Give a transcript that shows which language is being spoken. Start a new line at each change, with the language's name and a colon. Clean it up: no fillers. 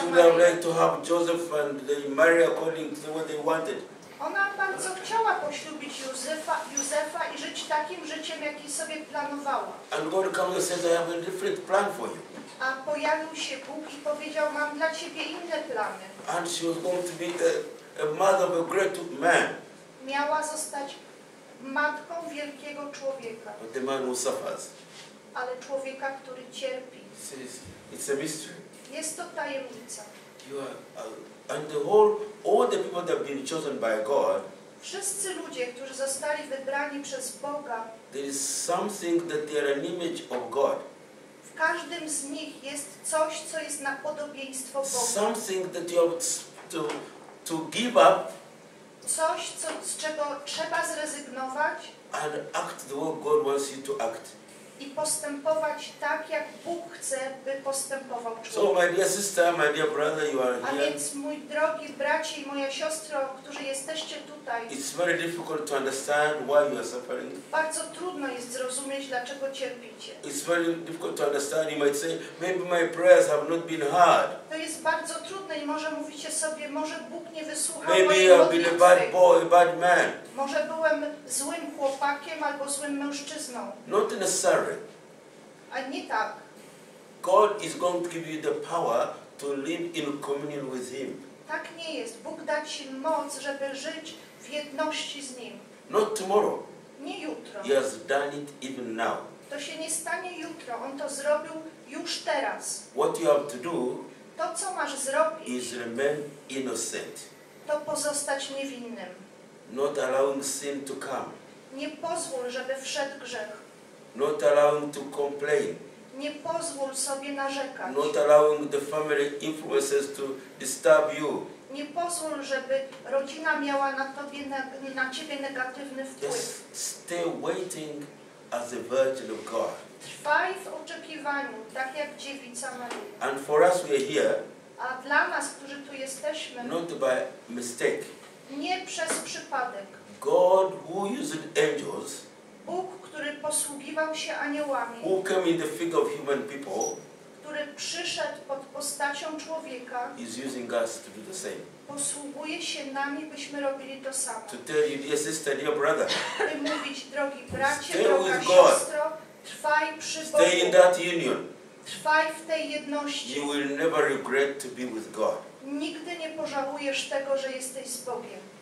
English: Maria. She would have liked to have Joseph and Mary according to what they wanted.
Polish: Ona bardzo chciała poślubić Józefa i żyć takim życiem, jaki sobie planowała.
English: And God comes and says, I have a different plan for you.
Polish: A pojawił się Bóg i powiedział, mam dla ciebie inne plany.
English: And she was going to be a mother of a great man.
Polish: Miała zostać matką wielkiego człowieka.
English: But the man who suffers.
Polish: Ale człowieka, który cierpi.
English: It's a mystery.
Polish: Jest to tajemnica.
English: You are, and the whole, all the people that have been chosen by God.
Polish: Wszyscy ludzie, którzy zostali wybrani przez Boga.
English: There is something that they are an image of God.
Polish: W każdym z nich jest coś, co jest na podobieństwo Boga.
English: Something that you have to give up.
Polish: Coś, z czego trzeba zrezygnować.
English: And act the way God wants you to act.
Polish: I postępować tak, jak Bóg chce, by postępował człowiek.
English: So, my dear sister, my dear brother, you are here.
Polish: A więc, mój drogi bracie i moja siostro, którzy jesteście tutaj,
English: it's very difficult to understand why you are suffering.
Polish: Bardzo trudno jest zrozumieć, dlaczego cierpicie.
English: It's very difficult to understand. You might say, maybe my prayers have not been heard.
Polish: To jest bardzo trudne i może mówicie sobie, może Bóg nie wysłuchał mojej modlitwy.
English: Maybe I've been a bad boy, a bad man.
Polish: Może byłem złym chłopakiem albo złym mężczyzną.
English: Not necessary.
Polish: A nie tak.
English: God is going to give you the power to live in communion with Him.
Polish: Tak nie jest. Bóg da ci moc, żeby żyć w jedności z Nim.
English: Not tomorrow.
Polish: Nie jutro.
English: He has done it even now.
Polish: To się nie stanie jutro. On to zrobił już teraz.
English: What you have to do,
Polish: to co masz zrobić,
English: is remain innocent.
Polish: To pozostać niewinnym.
English: Not allowing sin to come.
Polish: Nie pozwól, żeby wszedł grzech.
English: Not allowing to complain.
Polish: Nie pozwól sobie narzekać.
English: Not allowing the family influences to disturb you.
Polish: Nie pozwól, żeby rodzina miała na ciebie negatywny wpływ.
English: Just stay waiting as a virgin of God.
Polish: Trwaj w oczekiwaniu, tak jak dziewica Maria.
English: And for us we are here.
Polish: A dla nas, którzy tu jesteśmy.
English: Not by mistake.
Polish: Nie przez przypadek.
English: God who used angels,
Polish: Bóg, który posługiwał się aniołami,
English: who came in the figure of human people,
Polish: który przyszedł pod postacią człowieka,
English: is using us to do the same.
Polish: Posługuje się nami, byśmy robili to samo.
English: To tell you, dear sister, dear brother,
Polish: by mówić, drogi bracie, droga siostro, trwaj przy Bogu.
English: Stay in that union.
Polish: Trwaj w tej jedności.
English: You will never regret to be with God.
Polish: Nigdy nie pożałujesz tego, że jesteś z Bogiem.